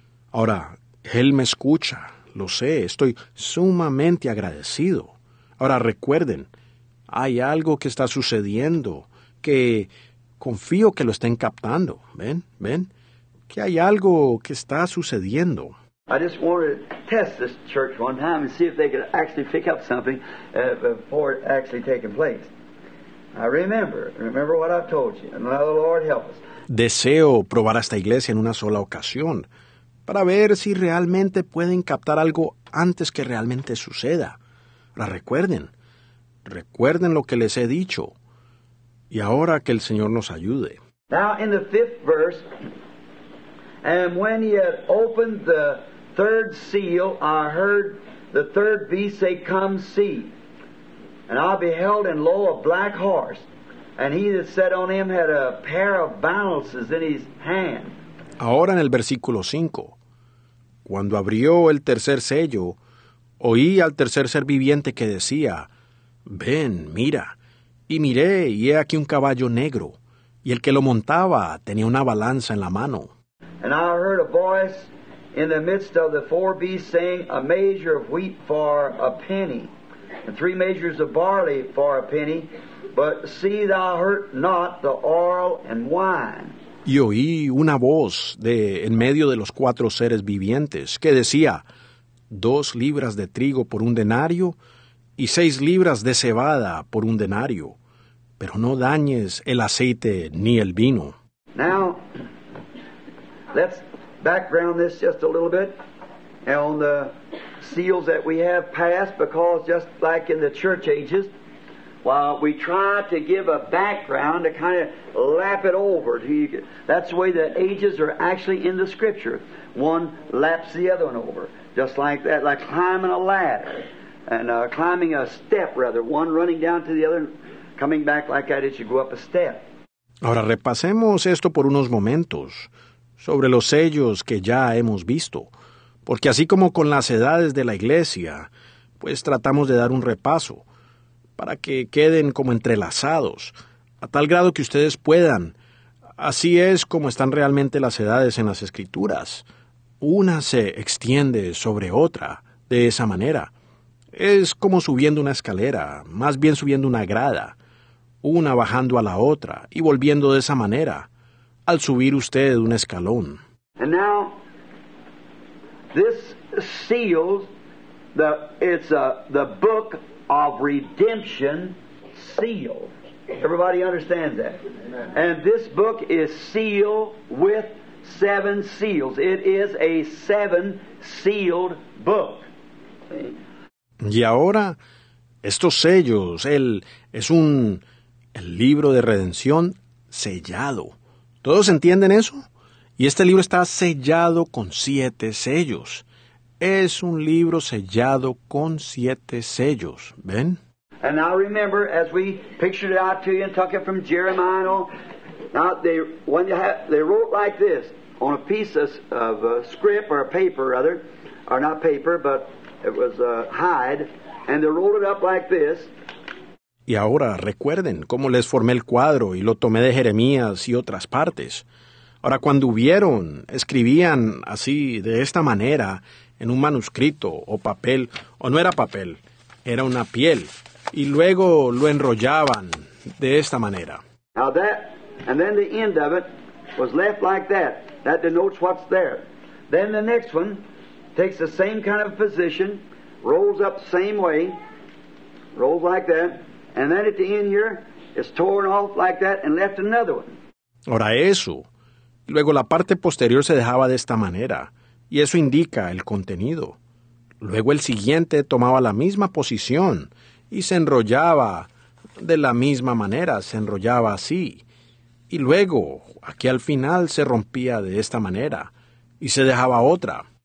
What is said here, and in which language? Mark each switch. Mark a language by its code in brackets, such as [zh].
[es] Ahora, Él me escucha, lo sé, estoy sumamente agradecido. Ahora, recuerden, hay algo que está sucediendo, que confío que lo estén captando. ¿Ven? Que hay algo que está sucediendo. [en] I just wanted to test this church one time and see if they could actually pick up something before it actually taking place. I remember what I've told you, and now the Lord help us. [es] Deseo probar a esta iglesia en una sola ocasión para ver si realmente pueden captar algo antes que realmente suceda. Ahora recuerden lo que les he dicho. Y ahora que el Señor nos ayude. [en] Now in the fifth verse, and when he had opened the third seal, I heard the third beast say, come see. And I beheld, and lo, a black horse, and he that sat on him had a pair of balances in his hand. [es] Ahora en el versículo 5, cuando abrió el tercer sello, oí al tercer ser viviente que decía, ven, mira. Y miré, y he aquí un caballo negro, y el que lo montaba tenía una balanza en la mano. [en] And I heard a voice in the midst of the four beasts saying, a measure of wheat for a penny, and three measures of barley for a penny, but see thou hurt not the oil and wine. [es] Y oí una voz de en medio de los cuatro seres vivientes, que decía, dos libras de trigo por un denario, y seis libras de cebada por un denario, pero no dañes el aceite ni el vino. [en] Now, let's background this just a little bit on the seals that we have passed, because just like in the church ages, while we try to give a background to kind of lap it over, that's the way the ages are actually in the Scripture. One laps the other one over, just like that, like climbing a ladder. And climbing a step, rather, one running down to the other, coming back like that as you go up a step. [es] Ahora repasemos esto por unos momentos sobre los sellos que ya hemos visto, porque así como con las edades de la iglesia, pues tratamos de dar un repaso para que queden como entrelazados a tal grado que ustedes puedan. Así es como están realmente las edades en las escrituras. Una se extiende sobre otra de esa manera. Es como subiendo una escalera, más bien subiendo una grada, una bajando a la otra y volviendo de esa manera, al subir usted un escalón. [en] And now, this seals, it's the book of redemption seal. Everybody understands that? And this book is sealed with seven seals. It is a seven sealed book. [es] Y ahora, estos sellos, él es un el libro de redención sellado. ¿Todos entienden eso? Y este libro está sellado con siete sellos. Es un libro sellado con siete sellos. ¿Ven? [en] And now remember, as we pictured it out to you and took it from Jeremiah, and all, now they when you have, they wrote like this on a piece of script or paper rather, or not paper, but it was a hide, and they wrote it up like this. [es] Y ahora recuerden cómo les formé el cuadro y lo tomé de Jeremías y otras partes. Ahora cuando hubieron, escribían así de esta manera en un manuscrito o papel, o no era papel, era una piel. Y luego lo enrollaban de esta manera. [en] Now that, and then the end of it was left like that. That denotes what's there. Then the next one takes the same kind of position, rolls up the same way, rolls like that, and then at the end here it's torn off like that and left another one. [es] Ahora eso. Luego la parte posterior se dejaba de esta manera, y eso indica el contenido. Luego el siguiente tomaba la misma posición, y se enrollaba de la misma manera, se enrollaba así. Y luego, aquí al final, se rompía de esta manera y se dejaba otra.